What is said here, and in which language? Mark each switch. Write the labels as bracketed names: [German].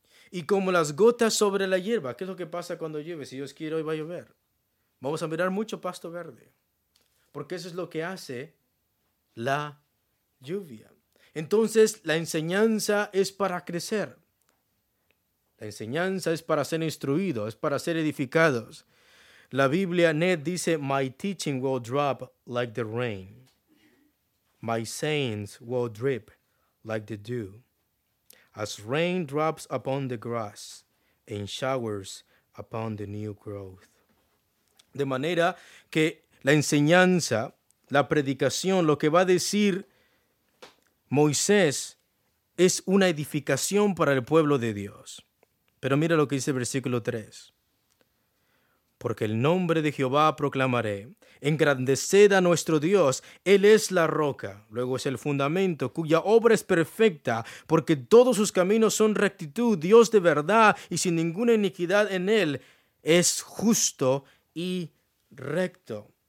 [Spanish] Y como las gotas sobre la hierba, ¿qué es lo que pasa cuando llueve? Si Dios quiere, hoy va a llover. Vamos a mirar mucho pasto verde, porque eso es lo que hace la lluvia. Entonces, la enseñanza es para crecer. La enseñanza es para ser instruido, es para ser edificados. [English] La Biblia NET dice, my teaching will drop like the rain. My sayings will drip like the dew. As rain drops upon the grass and showers upon the new growth. [Spanish] De manera que la enseñanza, la predicación, lo que va a decir Moisés es una edificación para el pueblo de Dios. Pero mira lo que dice el versículo 3. Porque el nombre de Jehová proclamaré, engrandeced a nuestro Dios, Él es la roca, luego es el fundamento, cuya obra es perfecta, porque todos sus caminos son rectitud, Dios de verdad y sin ninguna iniquidad en Él, es justo y recto.